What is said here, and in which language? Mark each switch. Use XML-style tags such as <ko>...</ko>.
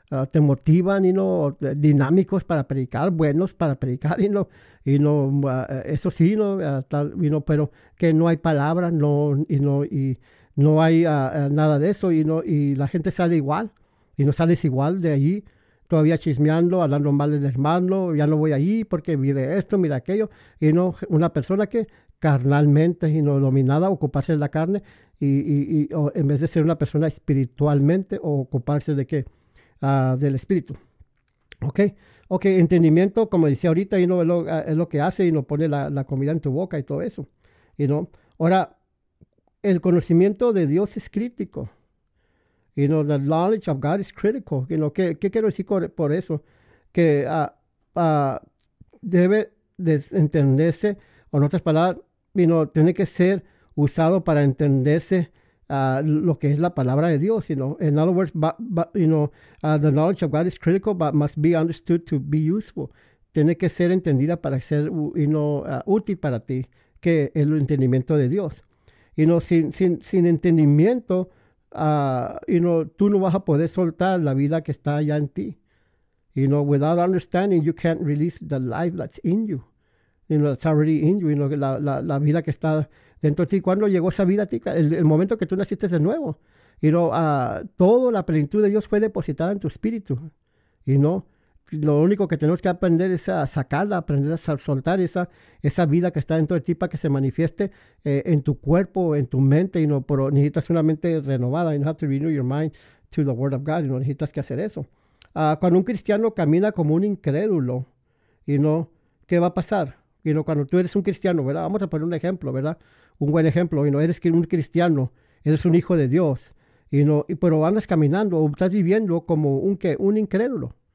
<es>Te motivan y no, dinámicos para predicar, buenos para predicar y no, eso sí, no, tal, y no, pero que no hay palabra, no, y no, y no hay nada de eso, y no, y la gente sale igual, y no sales igual de allí, todavía chismeando, hablando mal del hermano, ya no voy allí porque mire esto, mira aquello, y no, una persona que carnalmente y no dominada, ocuparse de la carne, y o, en vez de ser una persona espiritualmente, o ocuparse de qué. Del espíritu. Ok, entendimiento, como decía ahorita, y no es lo que hace y no pone la comida en tu boca y todo eso. Y no, ahora, el conocimiento de Dios es crítico.</es> <en>Y no, the knowledge of God is critical.</en> <es>Y no, ¿qué quiero decir por eso? Que debe entenderse, o en otras palabras, y no, tiene que ser usado para entenderse. Lo que es la palabra de Dios,</es> <en>you know. In other words, the knowledge of God is critical, but must be understood to be useful.</en> <es>Tiene que ser entendida para ser útil para ti, que es el entendimiento de Dios. Y</es> <en>you know,</en> <es>sin entendimiento, tú no vas a poder soltar la vida que está allá en ti.</es> <en>You know, without understanding, you can't release the life that's in you. You know, it's already in you. You know,</en> <es>la vida que está dentro de ti, ¿cuándo llegó esa vida a ti? El momento que tú naciste de nuevo. Y no, toda la plenitud de Dios fue depositada en tu espíritu. Y no, lo único que tenemos que aprender es a sacarla, aprender a soltar esa vida que está dentro de ti para que se manifieste en tu cuerpo, en tu mente. Y no, pero necesitas una mente renovada.</es> <en>You have to renew your mind to the word of God.</en> <es>Y no, necesitas que hacer eso. Cuando un cristiano camina como un incrédulo, y no, ¿qué va a pasar? Y no, cuando tú eres un cristiano, ¿verdad? Vamos a poner un ejemplo, ¿verdad? Un buen ejemplo. Y no, eres un cristiano, eres un hijo de Dios. Y no, pero andas caminando o estás viviendo como un incrédulo.</es>